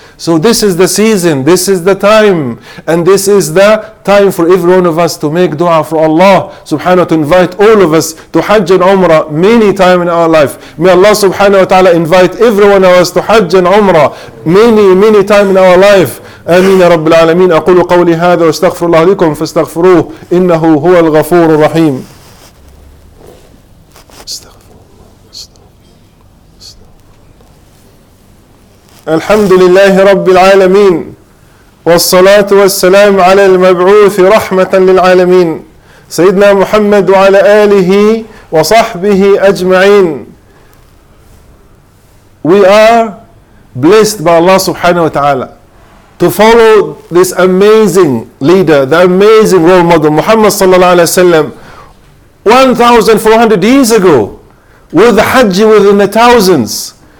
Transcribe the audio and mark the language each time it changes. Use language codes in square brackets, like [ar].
[en] So this is the season, this is the time, and this is the time for every one of us to make dua for Allah subhanahu wa ta'ala, invite all of us to Hajj and Umrah many times in our life. May Allah subhanahu wa ta'ala invite every one of us to Hajj and Umrah many times in our life. [ar] آمين رب العالمين أقول قولي هذا واستغفر الله لكم فاستغفروه إنه هو الغفور الرحيم. الحمد لله رب العالمين والصلاة والسلام على المبعوث رحمة للعالمين سيدنا محمد وعلى آله وصحبه أجمعين. [en] We are blessed by Allah subhanahu wa ta'ala to follow this amazing leader, the amazing role model, Muhammad sallallahu alaihi wasallam, 1,400 years ago, with the Hajj within the thousands.